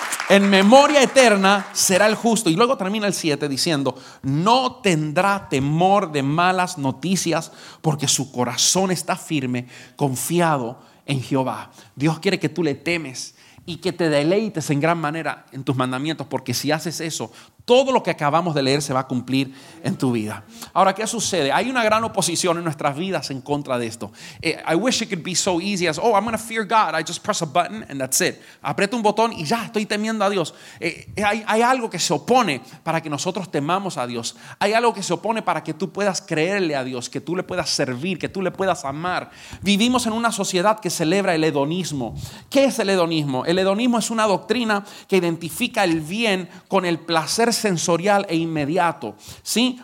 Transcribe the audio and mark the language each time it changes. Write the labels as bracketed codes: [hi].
[es] En memoria eterna será el justo. Y luego termina el 7 diciendo: no tendrá temor de malas noticias, porque su corazón está firme, confiado en Jehová. Dios quiere que tú le temes y que te deleites en gran manera en tus mandamientos, porque si haces eso, todo lo que acabamos de leer se va a cumplir en tu vida. Ahora, ¿qué sucede? Hay una gran oposición en nuestras vidas en contra de esto. [en] I wish it could be so easy as, oh, I'm going to fear God. I just press a button and that's it. [es] Aprieto un botón y ya, estoy temiendo a Dios. Hay algo que se opone para que nosotros temamos a Dios. Hay algo que se opone para que tú puedas creerle a Dios, que tú le puedas servir, que tú le puedas amar. Vivimos en una sociedad que celebra el hedonismo. ¿Qué es el hedonismo? El hedonismo es una doctrina que identifica el bien con el placer sensorial e inmediato. ¿Sí?